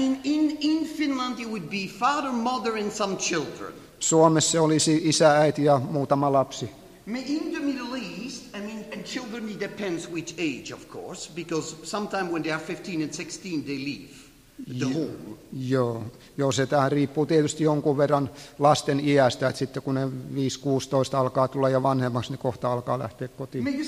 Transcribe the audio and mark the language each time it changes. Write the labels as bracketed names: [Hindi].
[English] And in Finland it would be father, mother and some children. [Finnish] Suomessa olisi isä, äiti ja muutama lapsi. [English] In the Middle East, I mean, and children it depends which age, of course, because sometimes when they are 15 and 16 they leave the home. [Finnish] Joo, se tähän riippuu tietysti jonkun verran lasten iästä, että sitten kun ne 5-16 alkaa tulla ja vanhemmaksi, niin kohta alkaa lähteä kotiin.